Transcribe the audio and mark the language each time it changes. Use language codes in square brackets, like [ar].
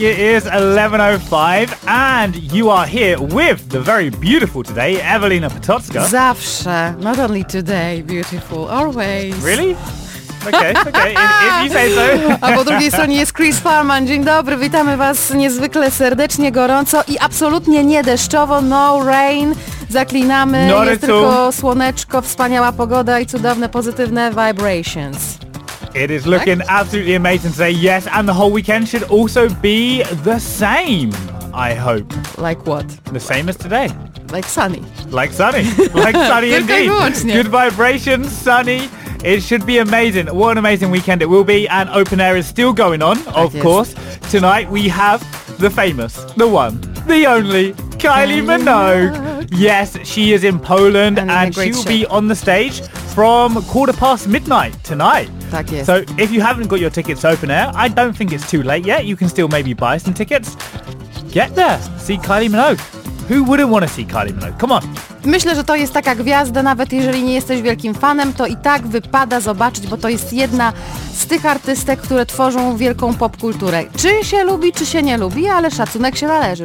[en] It is 11:05 and you are here with the very beautiful today, Evelina Potocka. [pl] Zawsze. [en] Not only today, beautiful. Always. Really? Okay, okay. If you say so. [pl] A po drugiej stronie jest Chris Farman. Dzień dobry, witamy was niezwykle serdecznie, gorąco i absolutnie nie deszczowo, [en] no rain. [pl] Zaklinamy, [en] not [pl] jest tylko słoneczko, wspaniała pogoda i cudowne, pozytywne vibrations. [en] It is looking absolutely amazing today, yes, and the whole weekend should also be the same, I hope. Like what? The same as today. Like sunny. Like sunny, like sunny indeed. Good vibrations, sunny. It should be amazing. What an amazing weekend it will be. And open air is still going on, of course. Tonight we have the famous, the one, the only, Kylie Minogue. Yes, she is in Poland and she will be on the stage from 12:15 tonight. [pl] Tak jest. [en] So if you haven't got your tickets open air, I don't think it's too late yet. You can still maybe buy some tickets. Get there. See Kylie Minogue. Who wouldn't want to see Kylie Minogue? Come on. [pl] Myślę, że to jest taka gwiazda, nawet jeżeli nie jesteś wielkim fanem, to i tak wypada zobaczyć, bo to jest jedna z tych artystek, które tworzą wielką popkulturę. Czy się lubi, czy się nie lubi, ale szacunek się należy.